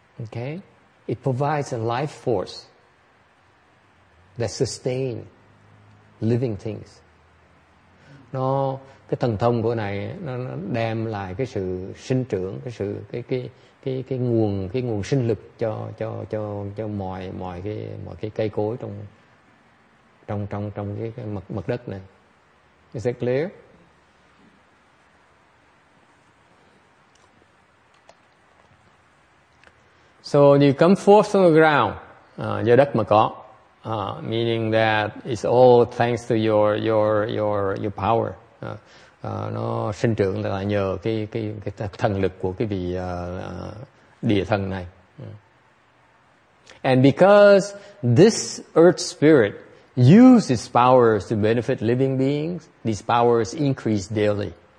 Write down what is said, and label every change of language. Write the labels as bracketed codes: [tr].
[en] Okay, it provides a life force that sustain living things. [vi] Nó cái thần thông của này nó đem lại cái sự sinh trưởng, cái nguồn sinh lực cho mọi cái cây cối trong cái mặt đất này. [en] Is that clear? So you come forth from the ground, [vi] do đất mà có, [en] meaning that it's all thanks to your power. [vi] Nó sinh trưởng là nhờ cái thần lực của cái vị địa thần này. [en] And because this earth spirit uses powers to benefit living beings, these powers increase daily.